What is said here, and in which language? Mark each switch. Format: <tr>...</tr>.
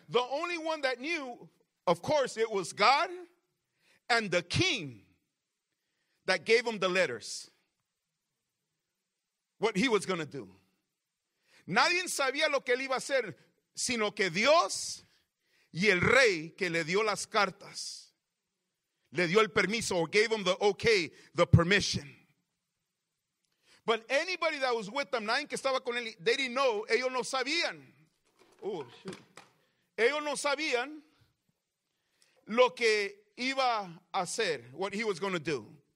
<en>The only one that knew, of course, it was God. And the king that gave him the letters, what he was going to do.</en> <es>Nadie sabía lo que él iba a hacer, sino que Dios y el rey que le dio las cartas. Le dio el permiso,</es> <en>or gave him the okay, the permission. But anybody that was with them,</en> <es>nadie que estaba con él,</es> <en>they didn't know,</en> <es>ellos no sabían. Oh, ellos no sabían lo que iba a hacer,</es> <en>what he was going to do.</en>